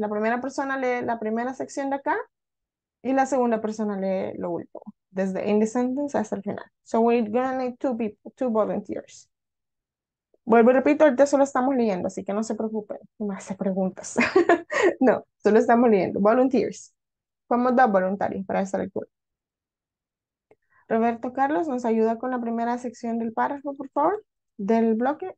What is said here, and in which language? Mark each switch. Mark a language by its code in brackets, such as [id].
[es] La primera persona lee la primera sección de acá y la segunda persona lee lo último. Desde [en] in the sentence [es] hasta el final. [en] So, we're going to need two people, two volunteers. [es] Vuelvo y repito, ahorita solo estamos leyendo, así que no se preocupen. No me hace preguntas. No, solo estamos leyendo. Volunteers. Fuimos dos voluntarios para esta lectura. Roberto Carlos nos ayuda con la primera sección del párrafo, por favor, del bloque.